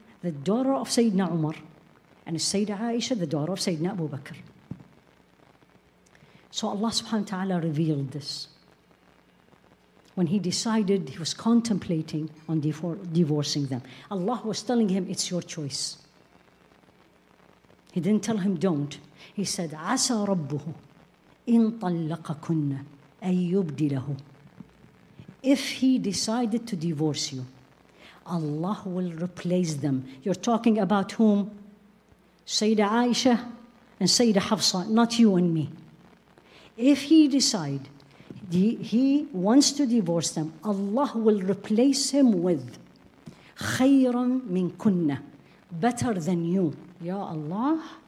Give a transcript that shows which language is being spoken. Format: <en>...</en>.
<en>The daughter of Sayyidina Umar and Sayyida Aisha, the daughter of Sayyidina Abu Bakr. So Allah subhanahu wa ta'ala revealed this. When he decided, he was contemplating on divorcing them. Allah was telling him, it's your choice. He didn't tell him, don't. He said,</en> <ar>عَسَى رَبُّهُ إِن طَلَّقَكُنَّ أَن يُبْدِلَهُ.</ar> <en>If he decided to divorce you, Allah will replace them. You're talking about whom? Sayyida Aisha and Sayyida Hafsa, not you and me. If he decide he wants to divorce them, Allah will replace him with</en> <ar>خَيْرًا مِنْ كُنَّ,</ar> <en>better than you. Ya Allah,</en>